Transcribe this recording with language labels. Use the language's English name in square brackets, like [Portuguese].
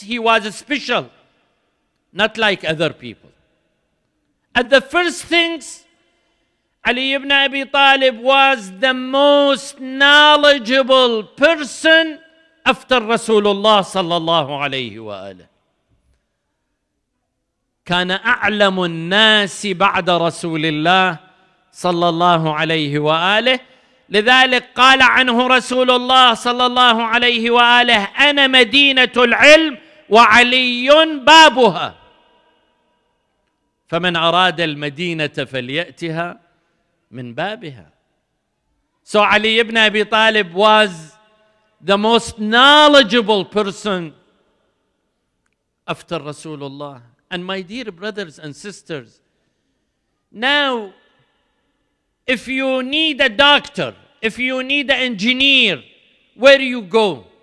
[English] He was special, not like other people. At the first things, Ali ibn Abi Talib was the most knowledgeable person after Rasulullah sallallahu alayhi wa alayhi. [Arabic] كان أعلم الناس بعد رسول الله صلى الله عليه وآله. لذلك قال عنه رسول الله صلى الله عليه وآله: أنا مدينة العلم وعلي بابها، فمن أراد المدينة فليأتها من بابها. [English] So Ali ibn Abi Talib was the most knowledgeable person after رسول الله. And my dear brothers and sisters, now if you need a doctor, if you need an engineer, where you go?